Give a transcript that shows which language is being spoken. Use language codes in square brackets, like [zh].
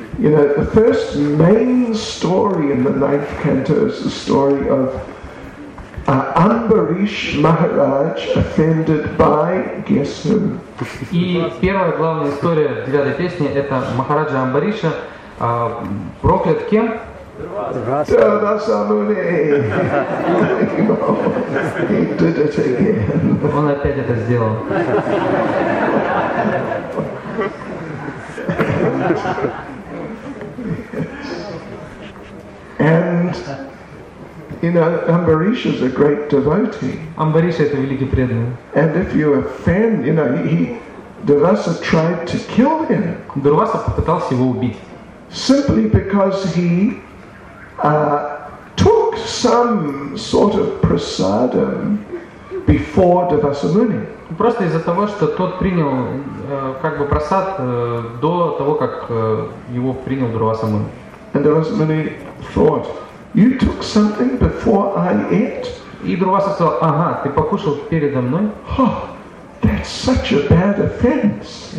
[en] You know, the first main story in the 9th canto is the story of Amberish Maharaj offended by, guess who? [ru] И первая главная история 9-й песни это Махараджа Амбариша проклят кем? [en] Дурвасамуни. He did it again. [ru] Он опять это сделал. [en] And you know, Ambarish is a great devotee. [ru] Ambarish это великий преданный. [en] And if you offend, you know, he Durvasa tried to kill him. [ru] Дурваса попытался его убить. [en] Simply because he took some sort of prasadam before Durvasamuni. [ru] Просто из-за того, что тот принял как бы просад до того, как его принял Дурвасамуни. [en] And Дурвасамуни thought, you took something before I ate? [ru] И Дурваса сказал, ага, ты покушал передо мной? [en] Oh, that's such a bad offense.